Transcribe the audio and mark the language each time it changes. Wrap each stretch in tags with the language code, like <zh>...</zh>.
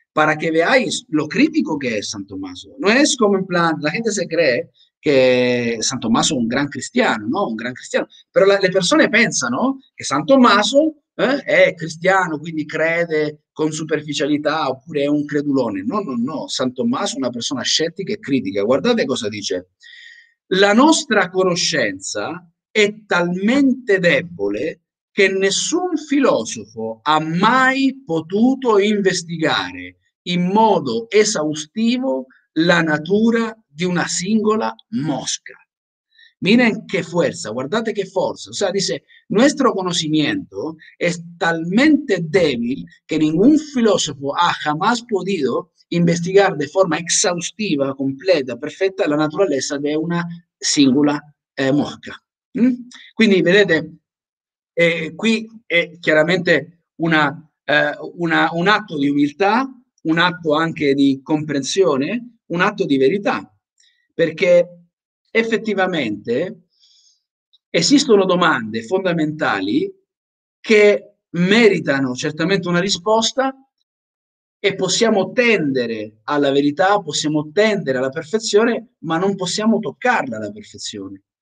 <es>para que veáis lo crítico que es San Tomaso. No es como en plan, la gente se cree que San Tomaso es un gran cristiano, ¿no? Un gran cristiano.</es> <it>Pero le persone pensano che San Tomaso è cristiano, quindi crede con superficialità oppure è un credulone. No, no, no. San Tomaso è una persona scettica e critica. Guardate cosa dice. La nostra conoscenza è talmente debole che nessun filosofo ha mai potuto investigare in modo esaustivo la natura di una singola mosca.</it> <es>Miren qué fuerza, guardate qué fuerza. O sea, dice, nuestro conocimiento es talmente débil que ningún filósofo ha jamás podido investigar de forma exhaustiva, completa, perfecta, la naturaleza de una singola mosca.</es> <it>Quindi, vedete, qui è chiaramente un atto di umiltà, un atto anche di comprensione, un atto di verità. Perché effettivamente esistono domande fondamentali che meritano certamente una risposta e possiamo tendere alla verità, possiamo tendere alla perfezione, ma non possiamo toccarla alla perfezione.</it>